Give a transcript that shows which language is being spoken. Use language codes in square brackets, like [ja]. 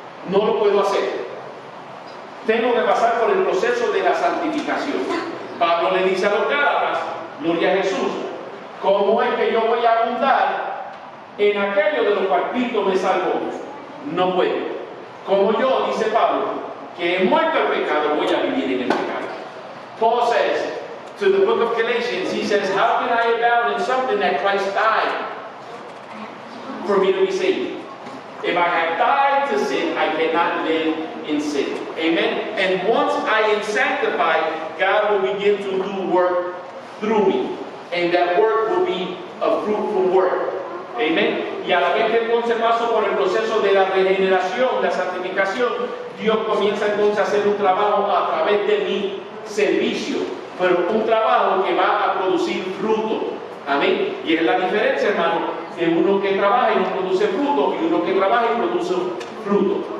[es] No lo puedo hacer. Tengo que pasar por el proceso de la santificación. Pablo le dice a los Gálatas, gloria a Jesús, ¿cómo es que yo voy a abundar en aquello de lo cual Cristo me salvó? No puedo. Como yo, dice Pablo, que he muerto el pecado, voy a vivir en el pecado. [en] Paul says to the book of Galatians, he says, how can I abound in something that Christ died for me to be saved? If I have died to sin, I cannot live in sin. Amen? And once I am sanctified, God will begin to do work through me. And that work will be a fruitful work. Amen? [es] Y a la vez que entonces paso por el proceso de la regeneración, la santificación, Dios comienza entonces a hacer un trabajo a través de mi servicio, pero un trabajo que va a producir fruto. Amén. Y es la diferencia, hermano, de uno que trabaja y no produce fruto, y uno que trabaja y produce fruto.